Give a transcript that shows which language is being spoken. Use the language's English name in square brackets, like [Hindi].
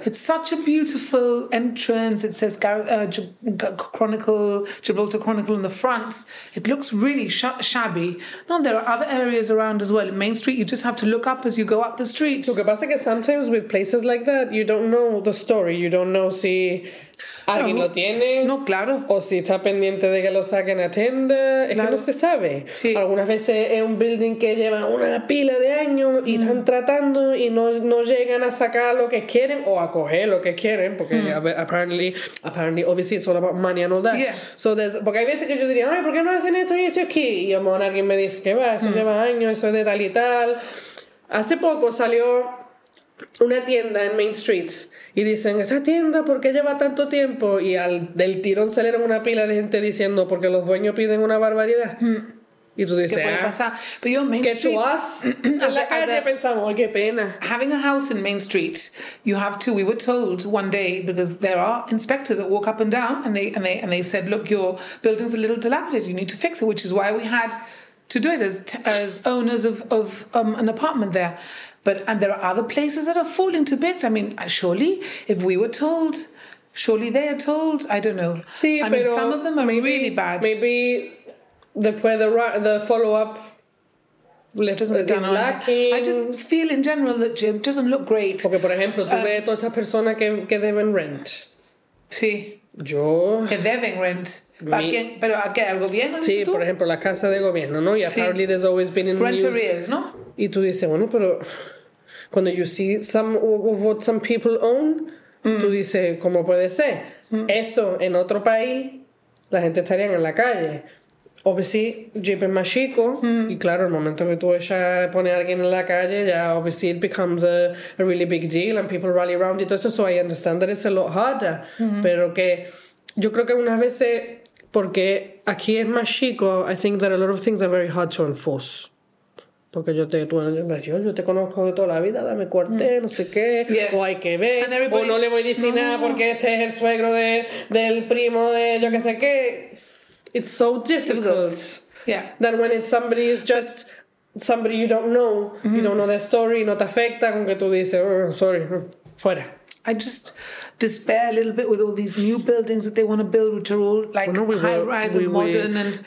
[English] It's such a beautiful entrance. It says Gibraltar Chronicle in the front. It looks really shabby. No, there are other areas around as well. Main Street, you just have to look up as you go up the street. [Spanish] Lo que pasa es que [English] sometimes with places like that, you don't know the story. You don't know, see... [Spanish] ¿alguien lo tiene? No, claro. O si está pendiente de que lo saquen a tienda. Es claro. Que no se sabe. Sí. Algunas veces es un building que lleva una pila de años y están tratando y no llegan a sacar lo que quieren o a coger lo que quieren. Porque apparently, obviously, it's all about money and all that. Yeah. [English] So [Spanish] porque hay veces que yo diría, ay, ¿por qué no hacen esto y esto aquí? Y a lo mejor alguien me dice, ¿qué va? Eso lleva años, eso es de tal y tal. Hace poco salió una tienda en Main Street. Y dicen, ¿esta tienda por qué lleva tanto tiempo? Y del tirón salieron una pila de gente diciendo, porque los dueños piden una barbaridad. Y tú dices, ¿qué puede pasar? Pero yo en Main Street... Que tú has... En la calle pensamos, ¡ay, qué pena! [English] Having a house in Main Street, you have to... We were told one day, because there are inspectors that walk up and down, and they said, look, your building's a little dilapidated, you need to fix it, which is why we had to do it as owners of an apartment there. But and there are other places that are falling to bits. I mean, surely, if we were told, surely they are told. I don't know. [Spanish] Sí, [English] I mean, some of them are really bad. Maybe the follow-up is lacking. I just feel in general that Jim doesn't look great. [Spanish] Porque, por ejemplo, tú ves todas estas personas que deben rent. Sí. Yo... Que deben rent. ¿Pero a qué? ¿Al gobierno? Sí, por ejemplo, la casa de gobierno, ¿no? Y sí. [English] Apparently there's always been in rent arrears, [Spanish] ¿no? Y tú dices, bueno, pero... cuando [English] you see some of what some people own, [Spanish] tú dices, ¿cómo puede ser? Eso en otro país, la gente estaría en la calle. [English] Obviously, Jeep [Spanish] es más chico, y claro, el momento que tú pones a alguien en la calle, ya [English] obviously it becomes a really big deal and people rally around [Spanish] y todo eso, [English] so I understand that it's a lot harder. [Spanish] Pero que yo creo que unas veces, porque aquí es más chico, [English] I think that a lot of things are very hard to enforce. [Spanish] Porque yo te conozco de toda la vida, dame corte, no sé qué, o hay que ver, [English] everybody... [Spanish] o no le voy a decir nada porque este es el suegro del primo de yo qué sé qué. [English] It's so difficult. Yeah. Than when it's somebody is just somebody you don't know, you don't know their story, [Spanish] no te afecta, con que tú dices, [English] oh, sorry, [Spanish] fuera. [English] I just despair a little bit with all these new buildings that they want to build, which are all like high-rise and modern. And